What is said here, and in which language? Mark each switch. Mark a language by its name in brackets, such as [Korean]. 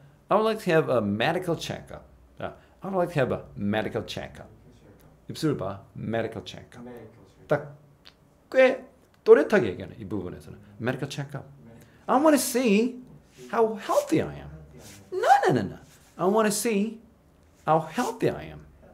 [English] I would like to have a medical checkup. [Korean] 자, [English] I would like to have a medical checkup. [Korean] 입술 봐. [English] Medical checkup. [Korean] 딱꽤 또렷하게 얘기하네. 이 부분에서는. [English] Medical checkup. I want to see how healthy I am. No. I want to see how healthy I am.